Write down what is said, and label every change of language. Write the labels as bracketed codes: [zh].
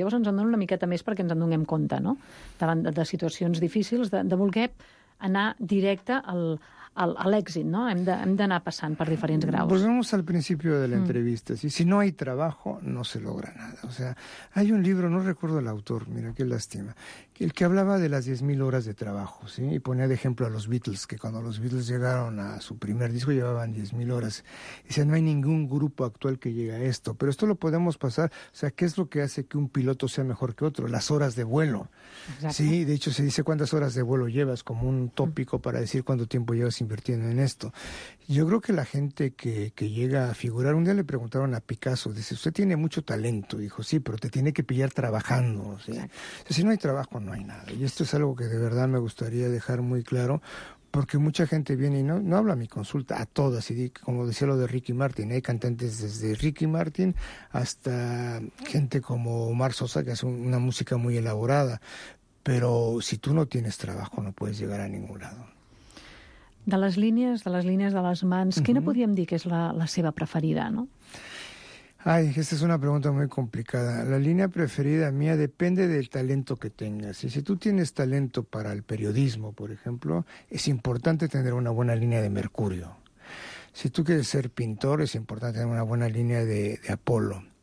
[ca] Llavors ens en dona una miqueta més perquè ens en donem compte, no?, davant de situacions difícils, de voler anar directe a l'èxit, no? Hem d'anar passant per diferents graus. [es] Volvemos al principio de la entrevista. Si no hay trabajo, no se logra nada. O sea, hay un libro, no recuerdo el autor, mira, qué lástima, el que hablaba de las 10.000 horas de trabajo, ¿sí? Y ponía de ejemplo a los Beatles, que cuando los Beatles llegaron a su primer disco llevaban 10.000 horas. Dicen, no hay ningún grupo actual que llegue a esto. Pero esto lo podemos pasar. O sea, ¿qué es lo que hace que un piloto sea mejor que otro? Las horas de vuelo. Exacto. Sí, de hecho se dice cuántas horas de vuelo llevas, como un tópico para decir cuánto tiempo llevas invirtiendo en esto. Yo creo que la gente que llega a figurar, un día le preguntaron a Picasso, dice, usted tiene mucho talento. Dijo, sí, pero te tiene que pillar trabajando. ¿Sí? O sea, si no hay trabajo, no hay nada. Y esto es algo que de verdad me gustaría dejar muy claro, porque mucha gente viene y no habla a mi consulta, a todas, y como decía lo de Ricky Martin, hay cantantes desde Ricky Martin hasta gente como Omar Sosa, que hace una música muy elaborada, pero si tú no tienes trabajo no puedes llegar a ningún lado. [ca] De les línies de les mans, quina podríem dir que és la seva preferida, no? [es] Ay, esta es una pregunta muy complicada. La línea preferida mía depende del talento que tengas. Y si tú tienes talento para el periodismo, por ejemplo, es importante tener una buena línea de Mercurio. Si tú quieres ser pintor, es importante tener una buena línea de Apolo.